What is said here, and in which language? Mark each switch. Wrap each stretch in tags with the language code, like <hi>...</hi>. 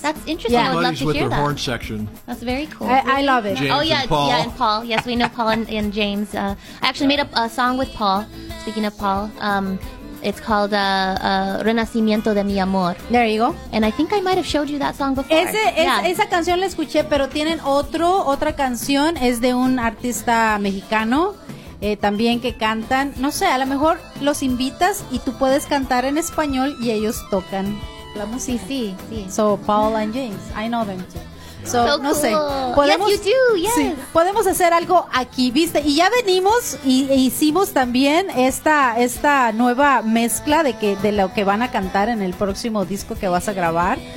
<en>That's interesting. Yeah. I would love to hear that. With their horn section. That's very cool. I love it. James oh, yeah, and Paul. Yeah, and Paul. Yes, we know Paul and James. I actually made a song with Paul, speaking of Paul. It's called Renacimiento de mi Amor. There you go. And I think I might have showed you that song before.</en> <es>Esa canción la escuché, pero tienen otra canción. Es de un artista mexicano. también que cantan. No sé, a lo mejor los invitas y tú puedes cantar en español y ellos tocan la música. Sí, sí, sí.</es> <en>So, Paul and James, I know them too. So, so</en> <es>no</es> <en>cool.</en> <es>sé. ¿Podemos,</es> <en>yes, you do, yes.</en> <es>Sí, podemos hacer algo aquí, ¿viste? Y ya venimos y e hicimos también esta nueva mezcla de lo que van a cantar en el próximo disco que vas a grabar.</es>